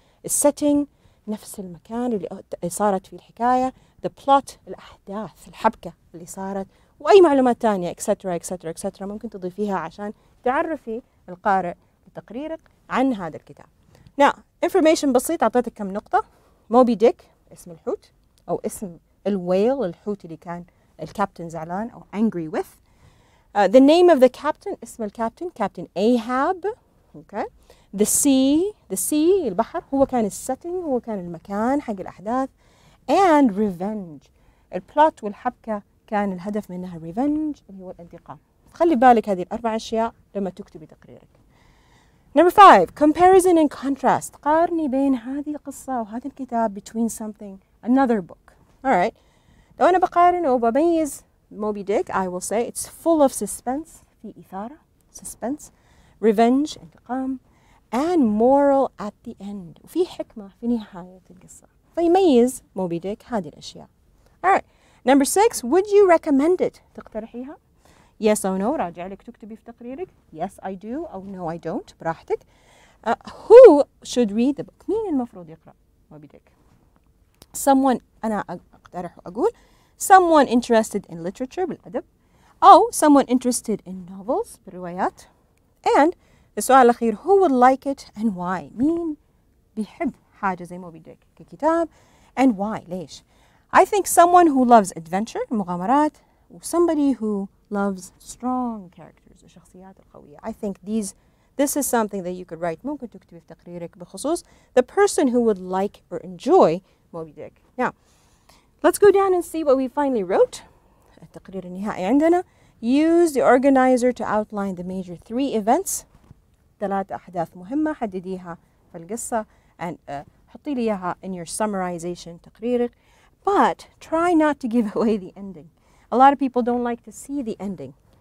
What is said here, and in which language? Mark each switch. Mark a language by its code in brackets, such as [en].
[ar] Setting, نفس المكان اللي صارت فيه الحكاية. The plot, الأحداث, الحبكة اللي صارت. وأي معلومات تانية, [en] etc, etc, etc, [ar] ممكن تضيفيها عشان تعرفي القارئ بتقريرك عن هذا الكتاب. Now, information بسيط, أعطيتك كم نقطة. Moby Dick, اسم الحوت أو اسم الويل, الحوت اللي كان الكابتن زعلان أو [en] angry with. The name of the captain, [ar] اسم الكابتن, [en] Captain Ahab. Okay. [ar] The sea, البحر, هو كان السيتنج, هو كان المكان حق الأحداث. And revenge, البلوت والحبكة كان الهدف منها revenge, اللي هو الانتقام. خلي بالك هذه الأربع أشياء لما تكتبي تقريرك. [en] Number five, comparison and contrast. [ar] قارني بين هذه القصة وهذا الكتاب, [en] between something, another book. Alright. [ar] لو أنا بقارن وببيز [en] Moby Dick, I will say it's full of suspense, [ar] في إثارة, [en] suspense, revenge, انتقام, and moral at the end. [ar] وفي حكمة في نهاية القصة. فيميز Moby Dick هذه الأشياء. [en] Alright. Number six, would you recommend it? [ar] تقترحيها؟ [en] Yes or no, [ar] راجع لك تكتبي في تقريرك. [en] Yes, I do, or no, I don't, براحتك. Who should read the book? [ar] مين المفروض يقرأ Moby Dick? [en] Someone, [ar] أنا أقترح وأقول, [en] someone interested in literature, بالأدب, or someone interested in novels, بالروايات. And [ar] السؤال الأخير, [en] who would like it and why? [ar] مين بيحب حاجة زي Moby Dick ككتاب, [en] and why, [ar] ليش? [en] I think someone who loves adventure, مغامرات, or somebody who loves strong characters, [ar] الشخصيات القوية. [en] I think this is something that you could write, [ar] ممكن تكتبي في تقريرك بخصوص [en] the person who would like or enjoy Moby Dick. Now, let's go down and see what we finally wrote. [ar] التقرير النهائي عندنا. [en] Use the organizer to outline the major three events. [ar] ثلاث أحداث مهمة حدديها في القصة, and حطي ليها [en] in your summarization [ar] تقريرك. [en] But try not to give away the ending. A lot of people don't like to see the ending.